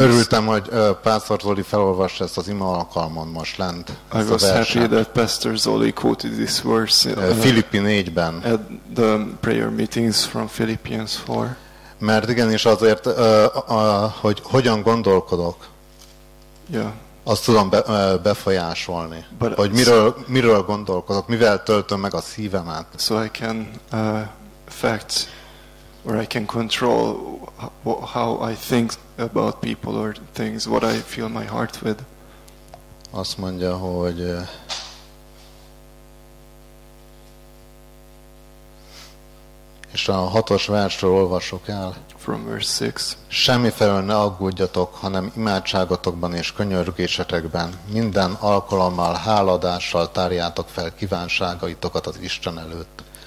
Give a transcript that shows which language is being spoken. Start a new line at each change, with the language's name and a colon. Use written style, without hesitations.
Hungarian: De örültem, hogy Pásztor Zoli felolvast ezt az ima alkalmon most lent.
English: I was happy that Pastor Zoli quoted this verse
Hungarian: Filippi 4-ben.
English: At the prayer meetings from Philippians 4.
Hungarian: Mert igenis azért, hogy hogyan gondolkodok, azt tudom befolyásolni,
English: but
Hungarian: hogy miről gondolkozok, mivel töltöm meg a szívemet.
English: So I can affect or I can control how I think about people or things, what I fill my heart with.
Hungarian: Azt mondja, hogy és a 6-os versről olvasok el.
English: From verse 6.
Hungarian: Semmifelől ne aggódjatok, hanem imádságotokban és könyörgésetekben minden alkalommal háladással tárjátok fel kívánságaitokat az Isten előtt.